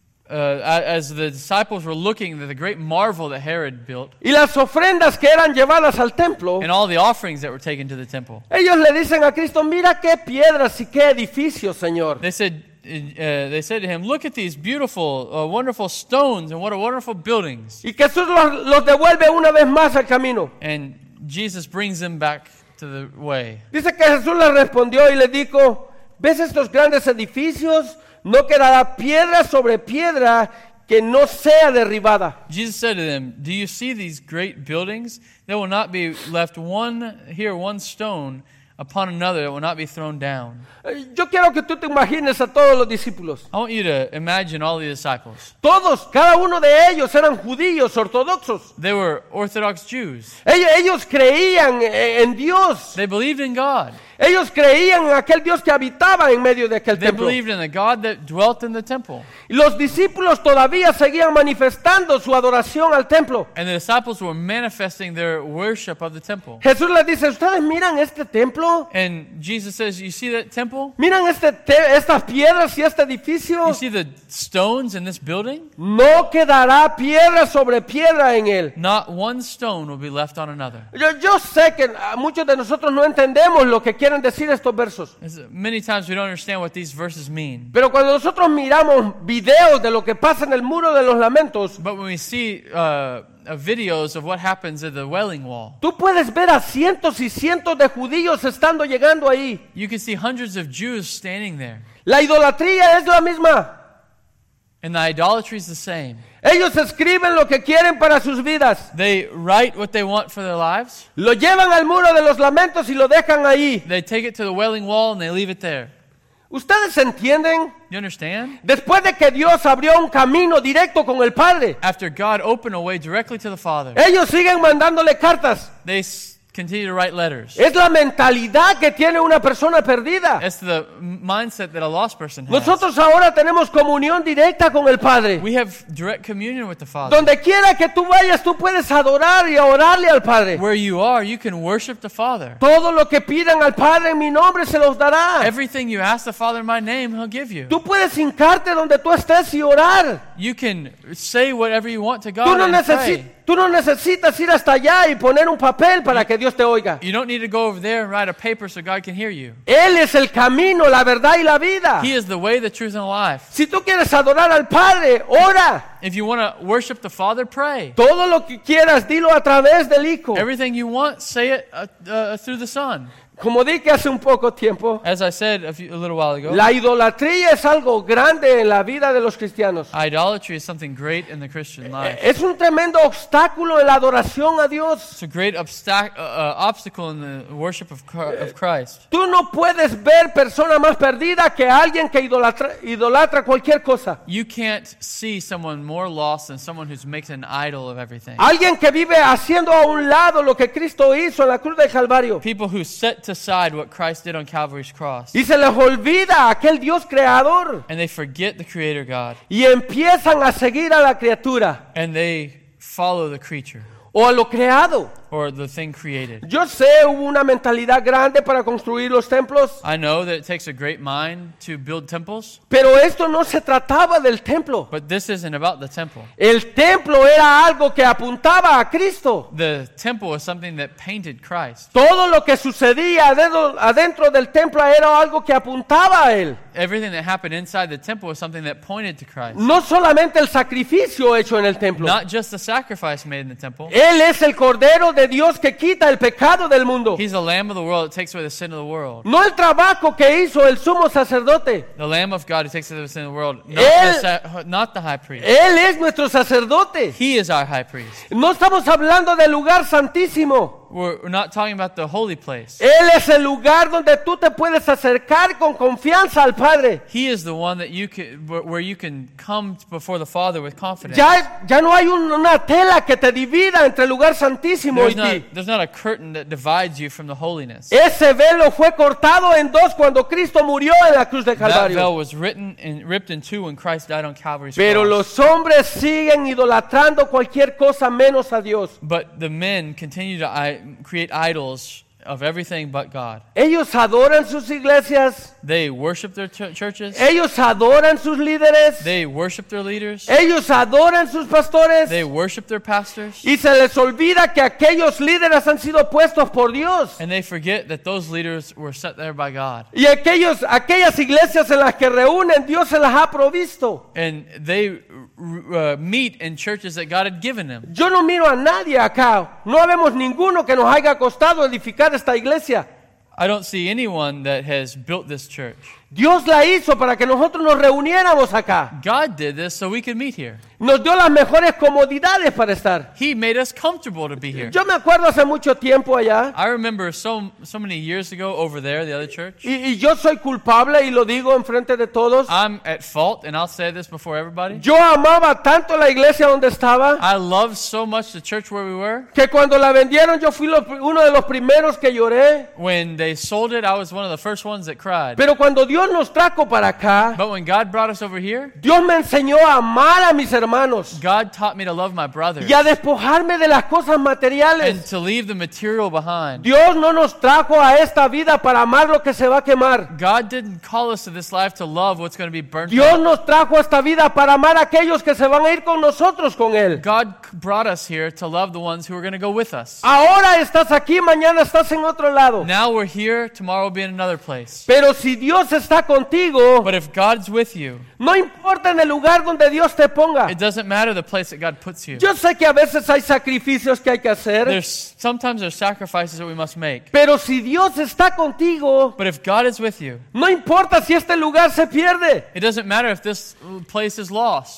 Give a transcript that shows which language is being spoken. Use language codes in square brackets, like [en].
[en] As the disciples were looking at the great marvel that Herod built, [es] y las ofrendas que eran llevadas al templo, [en] and all the offerings that were taken to the temple, [es] ellos le dicen a Cristo, mira qué piedras y qué edificios, Señor. [en] They said to him, look at these beautiful, wonderful stones, and what a wonderful buildings. [es] Y Jesús los devuelve una vez más al camino. [en] And Jesus brings them back to the way. [es] Dice que Jesús le respondió y le dijo, ¿ves estos grandes edificios? No quedará piedra sobre piedra que no sea derribada. [en] Jesus said to them, do you see these great buildings? There will not be left one here, one stone upon another that will not be thrown down. [es] Yo quiero que tú te imagines a todos los discípulos. [en] I want you to imagine all the disciples. [es] Todos, cada uno de ellos eran judíos ortodoxos. [en] They were Orthodox Jews. [es] Ellos creían en Dios. [en] They believed in God. [es] Ellos creían en aquel Dios que habitaba en medio de aquel [en] they [es] templo. [en] They believed in the God that dwelt in the temple. [es] Los discípulos todavía seguían manifestando su adoración al templo. [en] And the disciples were manifesting their worship of the temple. [es] Jesús les dice, ¿ustedes miran este templo? [en] And Jesus says, you see that temple? [es] ¿Miran estas piedras y este edificio? [en] You see the stones in this building? [es] No quedará piedra sobre piedra en él. [en] Not one stone will be left on another. [es] Yo sé que muchos de nosotros no entendemos lo que quieren decir estos versos. [en] Many times we don't understand what these verses mean. [es] Pero cuando nosotros miramos videos de lo que pasa en el Muro de los Lamentos, [en] but when we see videos of what happens at the Wailing Wall, [es] tú puedes ver a cientos y cientos de judíos estando llegando ahí. [en] You can see hundreds of Jews standing there. [es] La idolatría es la misma. [en] And the idolatry is the same. [es] Ellos escriben lo que quieren para sus vidas. [en] They write what they want for their lives. [es] Lo llevan al Muro de los Lamentos y lo dejan ahí. [en] They take it to the Wailing Wall and they leave it there. [es] ¿Ustedes entienden? [en] You understand? [es] Después de que Dios abrió un camino directo con el Padre, [en] after God opened a way directly to the Father, [es] ellos siguen mandándole cartas. [en] They continue to write letters. [es] Es la mentalidad que tiene una persona perdida. [en] It's the mindset that a lost person has. [es] Nosotros ahora tenemos comunión directa con el Padre. [en] We have direct communion with the Father. [es] Donde quiera que tú vayas, tú puedes adorar y orarle al Padre. [en] Where you are, you can worship the Father. [es] Todo lo que pidan al Padre en mi nombre se los dará. [en] Everything you ask the Father in my name, he'll give you. [es] Tú puedes hincarte donde tú estés y orar. [en] You can say whatever you want to God. [es] Tú no necesitas. Tú no necesitas ir hasta allá y poner un papel para que Dios te oiga. [en] You don't need to go over there and write a paper so God can hear you. [es] Él es el camino, la verdad y la vida. [en] He is the way, the truth, and the life. [es] Si tú quieres adorar al Padre, ora. [en] If you want to worship the Father, pray. [es] Todo lo que quieras, dilo a través del Hijo. [en] Everything you want, say it through the Son. [es] Como dije hace un poco tiempo, [en] as I said a little while ago, [es] la idolatría es algo grande en la vida de los cristianos. [en] Idolatry is something great in the Christian life. [es] Es un tremendo obstáculo en la adoración a Dios. [en] It's a great obstacle in the worship of Christ. [es] Tú no puedes ver persona más perdida que alguien que idolatra cualquier cosa. [en] You can't see someone more lost than someone who makes an idol of everything. [es] Alguien que vive haciendo a un lado lo que Cristo hizo en la cruz del Calvario. [en] People who set to side what Christ did on Calvary's cross. [es] Y se les olvida aquel Dios creador. [en] And they forget the Creator God. [es] Y empiezan a seguir a la criatura. [en] And they follow the creature. [es] O a lo creado. [en] or the thing created. [es] Yo sé, hubo una mentalidad grande para construir los templos. [en] I know that it takes a great mind to build temples. [es] Pero esto no se trataba del templo. [en] But this isn't about the temple. [es] El templo era algo que apuntaba a Cristo. [en] The temple was something that painted Christ. [es] Todo lo que sucedía adentro del templo era algo que apuntaba a él. [en] Everything that happened inside the temple was something that pointed to Christ. [es] No solamente el sacrificio hecho en el templo. [en] Not just the sacrifice made in the temple. [es] Él es el cordero de Dios que quita el pecado del mundo. [en] He's the lamb of the world that takes away the sin of the world. [es] No el trabajo que hizo el sumo sacerdote. [en] The lamb of God who takes away the sin of the world. Not the high priest. [es] Él es nuestro sacerdote. [en] He is our high priest. [es] No estamos hablando del lugar santísimo. [en] We're not talking about the holy place. [es] Él es el lugar donde tú te puedes acercar con confianza al Padre. [en] He is the one that you can, where you can come before the Father with confidence. [es] Ya no hay una tela que te divida entre el lugar santísimo y ti. [en] There's not a curtain that divides you from the holiness. [es] Ese velo fue cortado en dos cuando Cristo murió en la cruz de Calvario. [en] That veil was ripped in two when Christ died on Calvary's [es] Pero Pero los hombres siguen idolatrando cualquier cosa menos a Dios. [en] But the men continue to create idols of everything but God. [es] Ellos adoran sus iglesias. [en] They worship their churches. [es] Ellos adoran sus líderes. [en] They worship their leaders. [es] Ellos adoran sus pastores. [en] They worship their pastors. [es] Y se les olvida que aquellos líderes han sido puestos por Dios. [en] And they forget that those leaders were set there by God. [es] Y aquellas iglesias en las que reúnen, Dios se las ha provisto. [en] And they meet in churches that God had given them. [es] Yo no miro a nadie acá. No vemos ninguno que nos haya costado edificar esta iglesia. [en] I don't see anyone that has built this church. [es] Dios la hizo para que nosotros nos reuniéramos acá. [en] God did this so we could meet here. [es] Nos dio las mejores comodidades para estar. [en] He made us comfortable to be here. [es] Yo me acuerdo hace mucho tiempo allá. [en] I remember so many years ago over there, the other church. [es] Y yo soy culpable y lo digo en frente de todos. [en] I'm at fault and I'll say this before everybody. [es] Yo amaba tanto la iglesia donde estaba. [en] I loved so much the church where we were. [es] Que cuando la vendieron yo fui uno de los primeros que lloré. [en] When they sold it, I was one of the first ones that cried. [es] Pero cuando Dios nos trajo para acá, [en] but when God brought us over here, [es] Dios me enseñó a amar a mis hermanos. [en] God taught me to love my brothers. [es] Y a despojarme de las cosas materiales. [en] And to leave the material behind. [es] Dios no nos trajo a esta vida para amar lo que se va a quemar. [en] God didn't call us to this life to love what's going to be burnt. [es] Dios nos trajo a esta vida para amar a aquellos que se van a ir con nosotros con él. [en] God brought us here to love the ones who are going to go with us. [es] Ahora estás aquí, mañana estás en otro lado. [en] Now we're here, tomorrow we'll be in another place. [es] Pero si Dios está contigo, [en] but if God's with you, [es] no importa en el lugar donde Dios te ponga. [en] It doesn't matter the place that God puts you. [es] Yo sé que a veces hay sacrificios que hay que hacer. [en] Sometimes there's sacrifices that we must make. [es] Pero si Dios está contigo, [en] but if God is with you, [es] no importa si este lugar se pierde. [en] It doesn't matter if this place is lost.